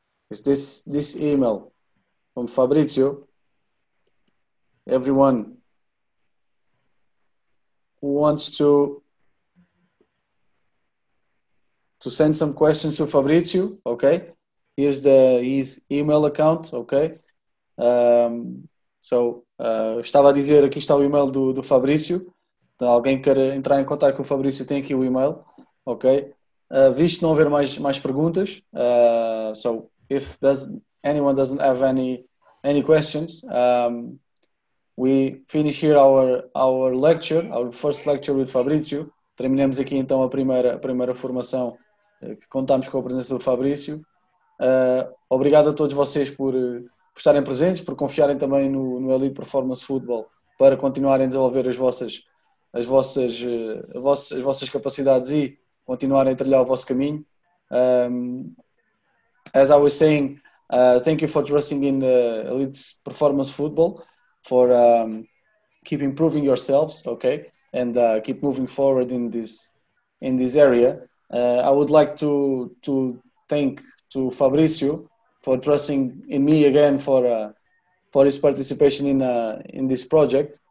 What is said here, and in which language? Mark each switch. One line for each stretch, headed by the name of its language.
English: Is this email from Fabrizio? Everyone who wants to send some questions to Fabrizio, okay? Here's his email account, okay?
Portuguese: Estava a dizer, aqui está o email do Fabrizio. Então, alguém quer entrar em contato com o Fabrizio, tem aqui o email, okay? Visto não haver mais perguntas,
English: if anyone doesn't have any questions, we finish here our lecture, our first lecture with Fabrizio.
Portuguese: Terminamos aqui então a primeira formação que contamos com a presença do Fabrizio. Obrigado a todos vocês por estarem presentes, por confiarem também no Elite Performance Football para continuarem a desenvolver as vossas capacidades e continuarem a trilhar o vosso caminho.
English: As I was saying, thank you for trusting in the Elite Performance Football, for keep improving yourselves, okay, and keep moving forward in this area. I would like to thank to Fabrizio for trusting in me again for his participation in this project.